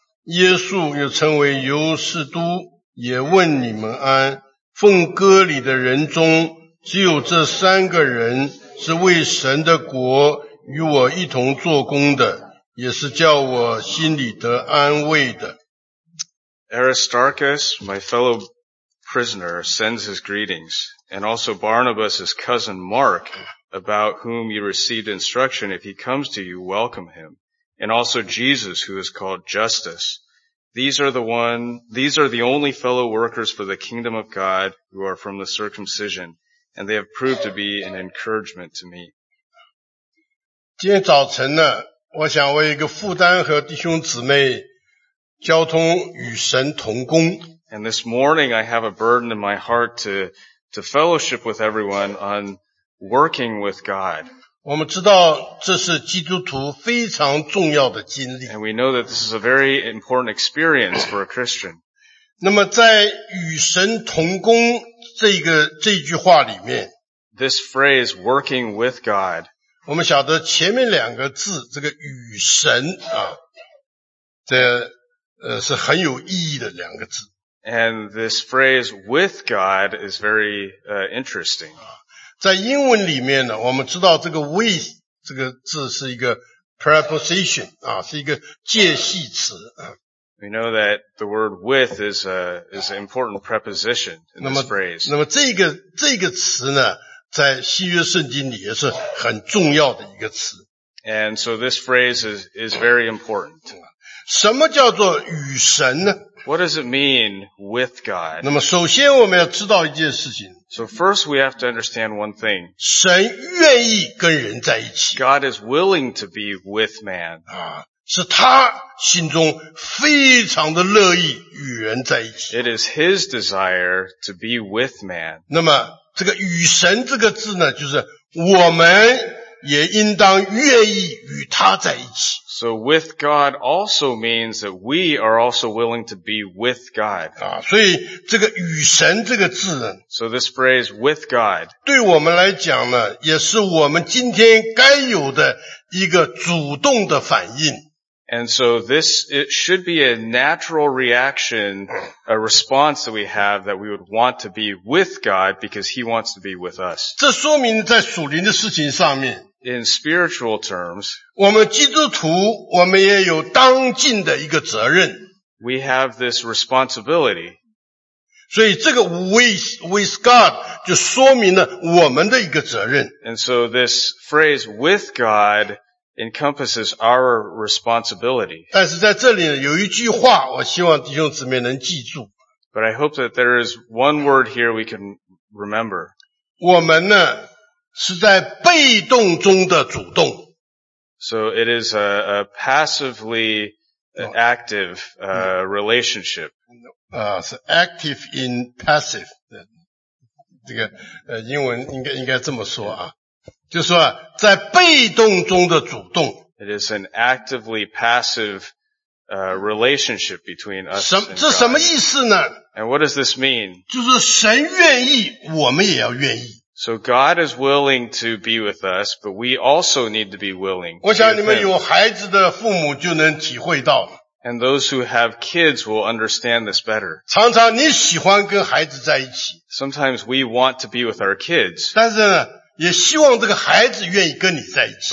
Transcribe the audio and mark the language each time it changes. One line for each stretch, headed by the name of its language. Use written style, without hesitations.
Chinese: 耶稣又称为尤士都也问你们安，奉割礼的人中，只有这三个人是为神的国与我一同做工的，也是叫我心里得安慰的。
English: Aristarchus, my fellow prisoner, sends his greetings, and also Barnabas, his cousin Mark, about whom you received instruction. If he comes to you, welcome him. And also Jesus, who is called Justice. These are the only fellow workers for the kingdom of God who are from the circumcision, and they have proved to be an encouragement to me.
Chinese: 今天早晨呢，我想为一个负担和弟兄姊妹交通与神同工。
English: And this morning I have a burden in my heart to fellowship with everyone on working with God.
Chinese: 我们知道这是基督徒非常重要的经历。
English: And we know that this is a very important experience for a Christian.
Chinese: 那么在与神同工这句话里面。
English: This phrase, working with God.
Chinese: 我们晓得前面两个字这个与神啊这是很有意义的两个字。
English: And this phrase with God is very interesting.
Chinese: 在英文里面呢我们知道这个 with 这个字是一个 preposition, 啊是一个介系词。
English: We know that the word with is an important preposition in this phrase.
Chinese: 那么这个词呢在新约圣经里也是很重要的一个词。
English: And so this phrase is very important.
Chinese: 什么叫做与神呢？
English: What does it mean with God?
Chinese: 那么首先我们要知道一件事情。
English: So first we have to understand one thing.
Chinese: 神愿意跟人在一起。
English: God is willing to be with man.
Chinese: 是他心中非常的乐意与人在一起。
English: It is his desire to be with man.
Chinese: 那么这个与神这个字呢就是我们也应当愿意与他在一起。
English: So with God also means that we are also willing to be with God.
Chinese: 所以这个与神这个字呢
English: So this phrase with God.
Chinese: 对我们来讲呢也是我们今天该有的一个主动的反应。
English: And so this, it should be a natural reaction, a response that we have that we would want to be with God because He wants to be with us.
Chinese: 这说明在属灵的事情上面。
English: In spiritual terms,
Chinese: 我们基督徒，我们也有当尽的一个责任。
English: We have this responsibility.
Chinese: 所以这个
English: with God
Chinese: 就说明了我们的一个责任。
English: And so this phrase with God encompasses our responsibility.
Chinese: 但是在这里有一句话我希望弟兄姊妹能记住。
English: But I hope that there is one word here we can remember.
Chinese: 我们呢是在被动中的主动。
English: So it is a passively active relationship. 是active in passive.
Chinese: 这个英文应该这么说啊。就是说在被动中的主动。
English: It is an actively passive relationship between us and God.
Chinese: 这什么意思呢？
English: And what does this mean?
Chinese: 就是神愿意我们也要愿意。
English: So God is willing to be with us, but we also need to be willing.
Chinese: 我想你们有孩子的父母就能体会到。
English: And those who have kids will understand this better.
Chinese: 常常你喜欢跟孩子在一起。
English: Sometimes we want to be with our kids.
Chinese: 但是呢也希望这个孩子愿意跟你在一起。